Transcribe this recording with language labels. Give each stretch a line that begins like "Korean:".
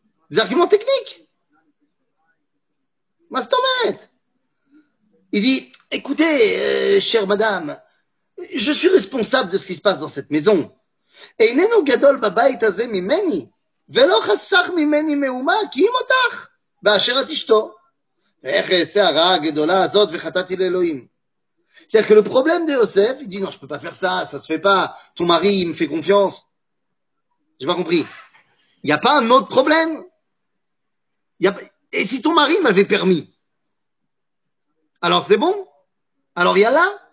French: Des arguments techniques. Mastomet. Il dit, écoutez, chère madame, je suis responsable de ce qui se passe dans cette maison.
Hebrew: Et nenu gadol babayit hazeh mimeni. ולא חסך ממני מאומה, כי אם אותך, באשר את אשתו. ואיך אעשה הרעה הגדולה הזאת וחטאתי לאלוהים.
French: C'est-à-dire que le problème de Yosef, il dit, non, je peux pas faire ça, ça se fait pas, ton mari, il me fait confiance. J'ai pas compris. Il y a pas un autre problème. Et si ton mari m'avait permis? Alors c'est bon? Alors il y a là?